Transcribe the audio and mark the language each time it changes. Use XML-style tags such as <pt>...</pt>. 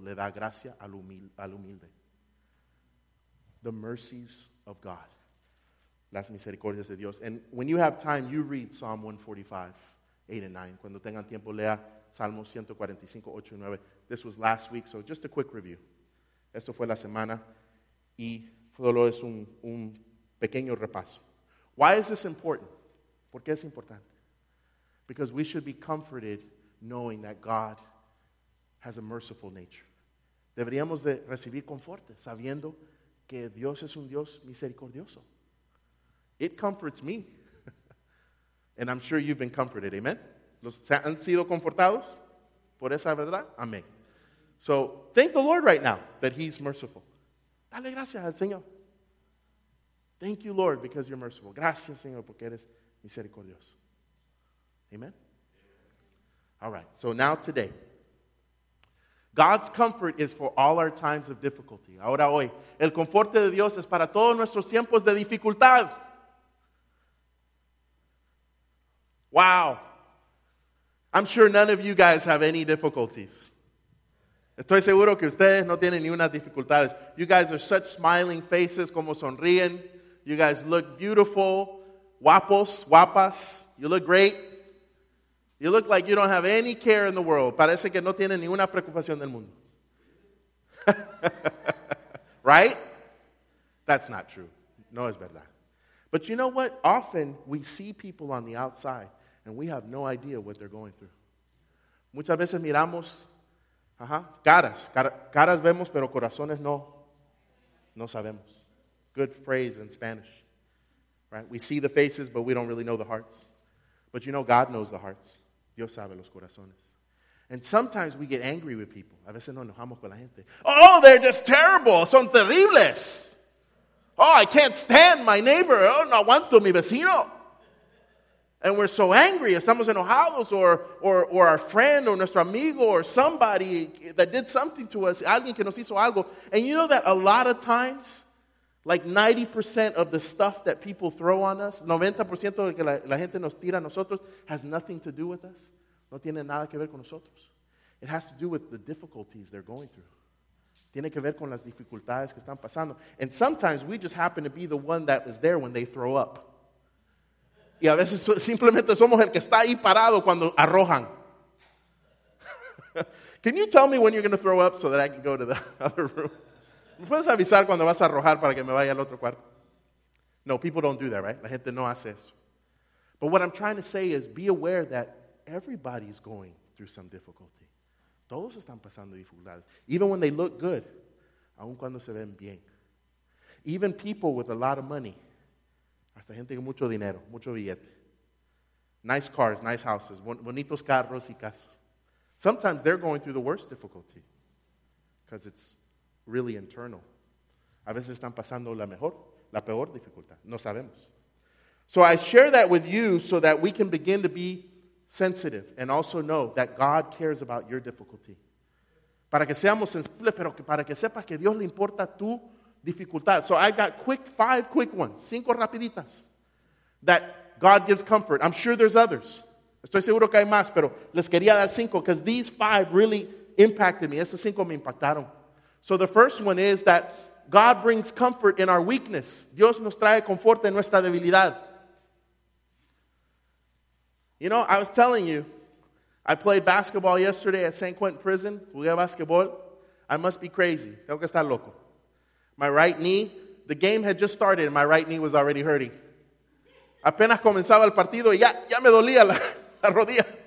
<es>Le da gracia al humilde.</es> <en>The mercies of God.</en> <es>Las misericordias de Dios.</es> <en>And when you have time, you read Psalm 145, 8 and 9.</en> <es>Cuando tengan tiempo, lea Salmo 145, 8 y 9.</es> <en>This was last week, so just a quick review.</en> <es>Esto fue la semana y solo es un pequeño repaso.</es> <en>Why is this important?</en> <es>¿Por qué es importante?</es> <en>Because we should be comforted knowing that God has a merciful nature.</en> <es>Deberíamos de recibir conforto sabiendo que Dios es un Dios misericordioso.</es> <en>It comforts me. And I'm sure you've been comforted. Amen?</en> <es>¿Se han sido confortados por esa verdad? Amén.</es> <en>So, thank the Lord right now that he's merciful.</en> <es>Dale gracias al Señor.</es> <en>Thank you, Lord, because you're merciful.</en> <es>Gracias, Señor, porque eres misericordioso. Amen?</es> <en>All right, so now today. God's comfort is for all our times of difficulty.</en> <es>Ahora hoy. El conforto de Dios es para todos nuestros tiempos de dificultad.</es> <en>Wow. I'm sure none of you guys have any difficulties.</en> <es>Estoy seguro que ustedes no tienen ni unas dificultades.</es> <en>You guys are such smiling faces,</en> <es>como sonríen.</es> <en>You guys look beautiful,</en> <es>guapos, guapas.</es> <en>You look great. You look like you don't have any care in the world.</en> <es>Parece que no tienen ni una preocupación del mundo.</es> <en>Right? That's not true.</en> <es>No es verdad.</es> <en>But you know what? Often we see people on the outside and we have no idea what they're going through.</en> <es>Muchas veces miramos caras vemos, pero corazones no sabemos.</es> <en>Good phrase in Spanish, right? We see the faces, but we don't really know the hearts. But you know, God knows the hearts.</en> <es>Dios sabe los corazones.</es> <en>And sometimes we get angry with people.</en> <es>A veces nos enojamos con la gente.</es> <en>Oh, they're just terrible.</en> <es>Son terribles.</es> <en>Oh, I can't stand my neighbor.</en> <es>Oh, no aguanto mi vecino.</es> <en>And we're so angry.</en> <es>Estamos enojados</es> <en>or our friend or</en> <es>nuestro amigo</es> <en>or somebody that did something to us.</en> <es>Alguien que nos hizo algo.</es> <en>And you know that a lot of times, like 90% of the stuff that people throw on us,</en> <es>90% de que la gente nos tira a nosotros,</es> <en>has nothing to do with us.</en> <es>No tiene nada que ver con nosotros.</es> <en>It has to do with the difficulties they're going through.</en> <es>Tiene que ver con las dificultades que están pasando.</es> <en>And sometimes we just happen to be the one that is there when they throw up.</en> <es>Y a veces simplemente somos el que está ahí parado cuando arrojan.</es> <en>Can you tell me when you're going to throw up so that I can go to the other room?</en> <es>¿Me puedes avisar cuando vas a arrojar para que me vaya al otro cuarto?</es> <en>No, people don't do that, right?</en> <es>La gente no hace eso.</es> <en>But what I'm trying to say is be aware that everybody's going through some difficulty.</en> <es>Todos están pasando dificultades.</es> <en>Even when they look good,</en> <es>aun cuando se ven bien.</es> <en>Even people with a lot of money.</en> <es>Hasta gente con mucho dinero, mucho billete.</es> <en>Nice cars, nice houses,</en> <es>bonitos carros y casas.</es> <en>Sometimes they're going through the worst difficulty because it's really internal.</en> <es>A veces están pasando la peor dificultad. No sabemos.</es> <en>So I share that with you so that we can begin to be sensitive and also know that God cares about your difficulty.</en> <es>Para que seamos sensibles, pero para que sepas que Dios le importa tu dificultad.</es> <en>So I got five quick ones,</en> <es>cinco rapiditas,</es> <en>that God gives comfort. I'm sure there's others.</en> <es>Estoy seguro que hay más, pero les quería dar cinco,</es> <en>because these five really impacted me.</en> <es>Estos cinco me impactaron.</es> <en>So the first one is that God brings comfort in our weakness.</en> <es>Dios nos trae confort en nuestra debilidad.</es> <en>You know, I was telling you, I played basketball yesterday at San Quentin Prison.</en> <es>Jugué basketball.</es> <en>I must be crazy.</en> <es>Tengo que estar loco.</es> <en>My right knee, the game had just started and my right knee was already hurting.</en> <es>Apenas comenzaba el partido y ya me dolía la rodilla.</es>